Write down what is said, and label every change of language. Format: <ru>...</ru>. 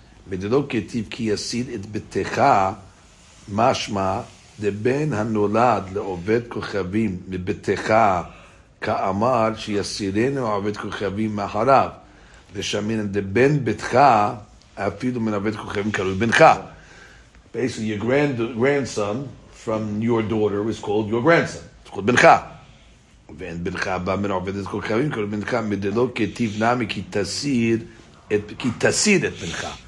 <he>ודלא כתיב כי יסיד את בתך משמע דבן הנולד לעובד כוכבים מבתך כאמר שיסירנו עובד כוכבים מאחריו ושמין דבן בתך אפילו מן עובד כוכבים קרוי בנך.</he> <en>Basically, your grandson from your daughter is called your grandson. It's called בנך.</en> <he>ואין בנך בא מן עובד כוכבים קרוי בנך מדלא כתיב נמי כי תסיר את בנך.</he>